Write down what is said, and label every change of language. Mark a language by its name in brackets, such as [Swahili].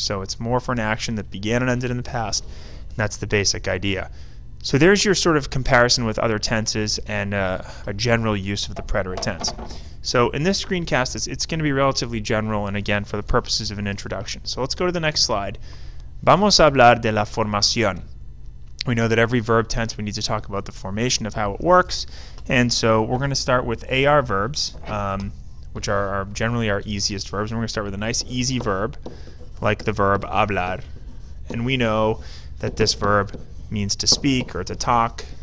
[English] So it's more for an action that began and ended in the past. And that's the basic idea. So there's your sort of comparison with other tenses and a general use of the preterite tense. So in this screencast, it's going to be relatively general and again for the purposes of an introduction. So let's go to the next slide. [Spanish] Vamos a hablar de la formación. [English] We know that every verb tense, we need to talk about the formation of how it works. And so we're going to start with AR verbs, which are generally our easiest verbs. And we're going to start with a nice easy verb, like the verb hablar. And we know that this verb means to speak or to talk.